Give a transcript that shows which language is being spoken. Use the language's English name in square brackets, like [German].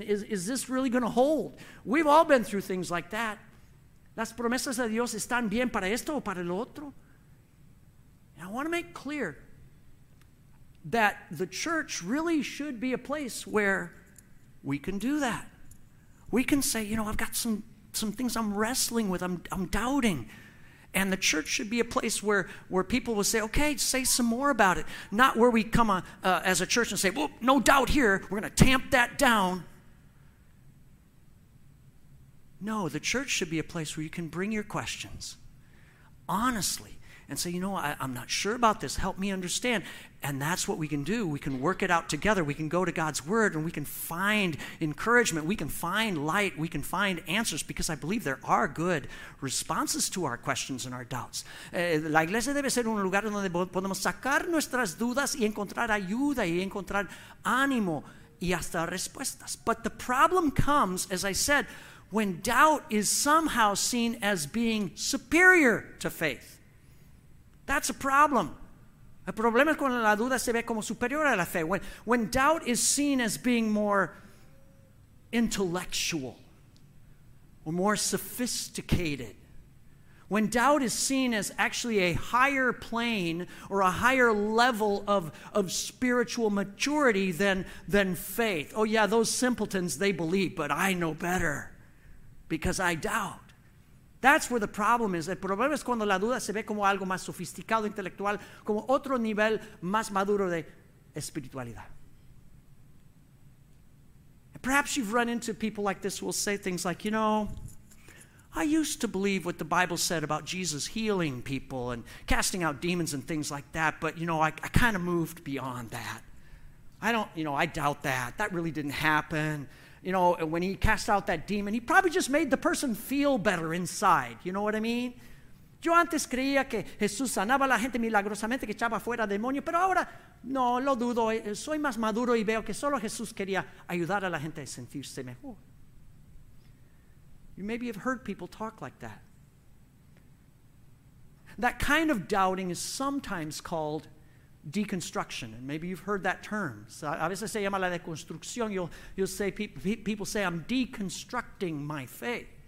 [English] Is this really going to hold? We've all been through things like that. [Spanish] Las promesas de Dios están bien para esto o para lo otro. [English] And I want to make clear that the church really should be a place where we can do that. We can say, you know, I've got some things I'm wrestling with, I'm doubting. And the church should be a place where people will say, okay, say some more about it. Not where we come as a church and say, well, no doubt here, we're going to tamp that down. No, the church should be a place where you can bring your questions honestly and say, you know, I'm not sure about this. Help me understand. And that's what we can do. We can work it out together. We can go to God's word and we can find encouragement. We can find light. We can find answers, because I believe there are good responses to our questions and our doubts. [Spanish] La iglesia debe ser un lugar donde podemos sacar nuestras dudas y encontrar ayuda y encontrar ánimo y hasta respuestas. [English] But the problem comes, as I said, when doubt is somehow seen as being superior to faith. That's a problem. [Spanish] El problema es cuando la duda se ve como superior a la fe. [English] When doubt is seen as being more intellectual or more sophisticated. When doubt is seen as actually a higher plane or a higher level of spiritual maturity than faith. Oh yeah, those simpletons, they believe, but I know better because I doubt. That's where the problem is. [Spanish] El problema es cuando la duda se ve como algo más sofisticado, intelectual, como otro nivel más maduro de espiritualidad. [English] And perhaps you've run into people like this who will say things like, you know, I used to believe what the Bible said about Jesus healing people and casting out demons and things like that, but, you know, I kind of moved beyond that. I don't, you know, I doubt that. That really didn't happen. You know, when he cast out that demon, he probably just made the person feel better inside. You know what I mean? [Spanish] Yo antes creía que Jesús sanaba a la gente milagrosamente, que echaba fuera demonios, pero ahora, no, lo dudo. Soy más maduro y veo que solo Jesús quería ayudar a la gente a sentirse mejor. [English] You maybe have heard people talk like that. That kind of doubting is sometimes called deconstruction, and maybe you've heard that term. So, [Spanish] a veces se llama la deconstrucción. [English] You'll say, people say, I'm deconstructing my faith.